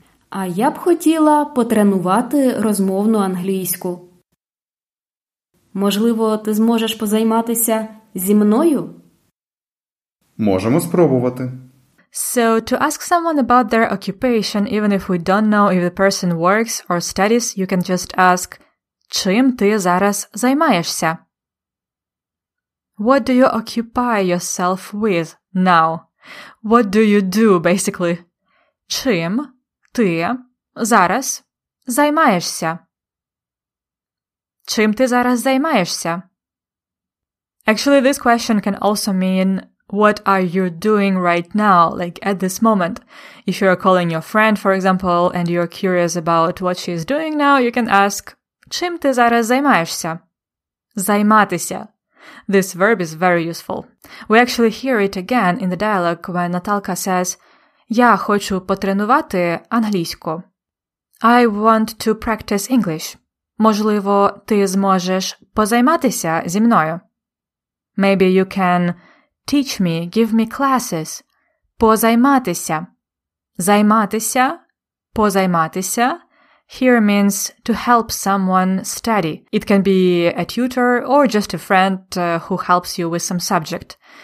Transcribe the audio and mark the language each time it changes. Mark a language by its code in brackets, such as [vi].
[uk] А я б хотіла потренувати розмовну англійську. Можливо, ти зможеш позайматися зі мною? Можемо спробувати. [en] So, to ask someone about their occupation, even if we don't know if the person works or studies, you can just ask, [uk] чим ти зараз займаєшся? [en] What do you occupy yourself with now? What do you do, basically? [uk] Чим ти зараз займаєшся? Чим ти зараз займаєшся? [en] Actually, this question can also mean, what are you doing right now, like at this moment? If you are calling your friend, for example, and you are curious about what she is doing now, you can ask, [uk] чим ти зараз займаєшся? Займатися. [en] This verb is very useful. We actually hear it again in the dialogue when Natalka says, [uk] я хочу потренувати англійську. [en] I want to practice English. [uk] Можливо, ти зможеш позайматися зі мною? [en] Maybe you can teach me, give me classes. [uk] Позайматися. Займатися. Позайматися. [en] Here means to help someone study. It can be a tutor or just a friend who helps you with some subject.